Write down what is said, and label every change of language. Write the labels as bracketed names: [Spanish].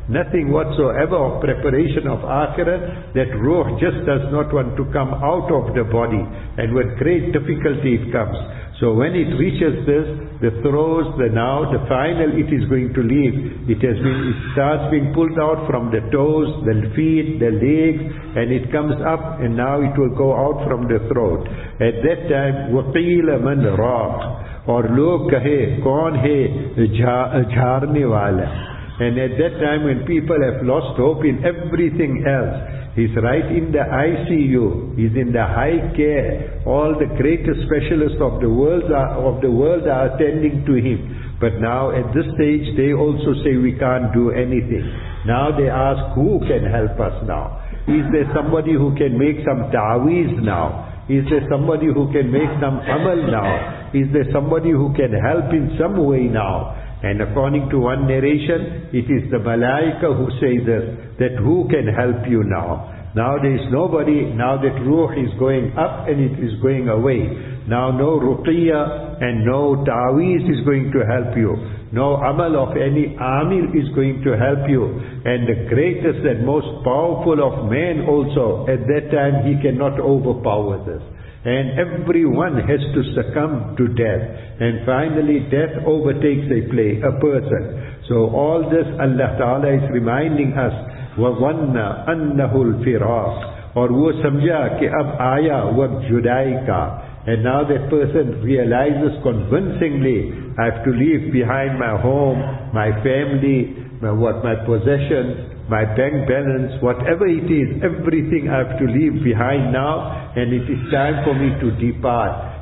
[English] Nothing whatsoever of preparation of Akhirat, that ruh just does not want to come out of the body, and with great difficulty it comes. So when it reaches this, the throes, the now, the final, it is going to leave. It starts being pulled out from the toes, the feet, the legs, and it comes up, and now it will go out from the throat. At that time, [Arabic] وَقِيلَ مَنْ رَاقْ [English] Or [Urdu] لوگ کہے, کون ہے جھارنے والا. [English] And at that time, when people have lost hope in everything else, he's right in the ICU, he's in the high care, all the greatest specialists of the world are attending to him. But now at this stage, they also say, we can't do anything. Now they ask, who can help us now? Is there somebody who can make some ta'weez now? Is there somebody who can make some amal now? Is there somebody who can help in some way now? And according to one narration, it is the malaika who says this, that who can help you now? Now there is nobody, now that ruh is going up and it is going away. Now no ruqiyya and no ta'weez is going to help you. No amal of any amil is going to help you. And the greatest and most powerful of men also, at that time he cannot overpower this. And everyone has to succumb to death. And finally death overtakes a person. So all this Allah Ta'ala is reminding us, [Arabic] وَظَنَّ أَنَّهُ الْفِرَاقِ [English] Or [Urdu] وہ سمجھا کہ اب آیا وقت جدائی کا. [English] And now that person realizes convincingly, I have to leave behind my home, my family, my possessions, my bank balance, whatever it is, everything I have to leave behind now, and it is time for me to depart.